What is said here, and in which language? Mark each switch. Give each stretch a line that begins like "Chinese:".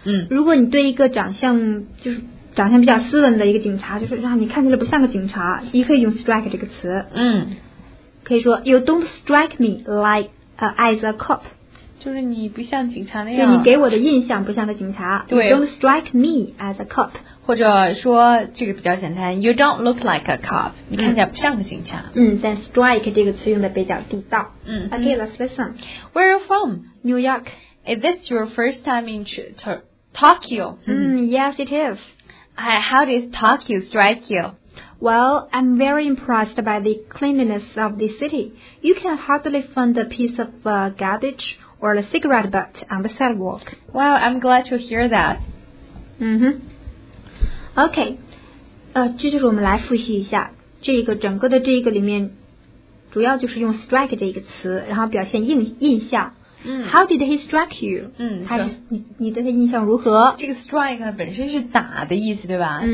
Chinese: 如果你对一个长相就是长相比较斯文的一个警察，就是让你看起来不像个警察，你可以用 strike 这个词。
English: 可以说 You don't strike me like as a cop，
Chinese: 就是你不像警察那样，你给我的印象不像个警察。对，
English: You don't strike me as a cop。
Chinese: 或者说这个比较简单，
English: You don't look like a cop，
Chinese: 你看起来不像个警察。但 strike 这个词用的比较地道。
English: OK, let's listen. Where are you from? New York. Is this your first time in Tokyo? Yes, it is. How did Tokyo strike you? Well, I'm very impressed by the cleanliness of the city. You can hardly find a piece of garbage or a cigarette butt on the sidewalk. Well, I'm glad to hear that.
Chinese: OK， 这就是我们来复习一下这个整个的这个里面，主要就是用 strike 这个词，然后表现印象。
English: How did he strike you?
Chinese: 你对他印象如何？这个 strike 本身是打的意思，对吧？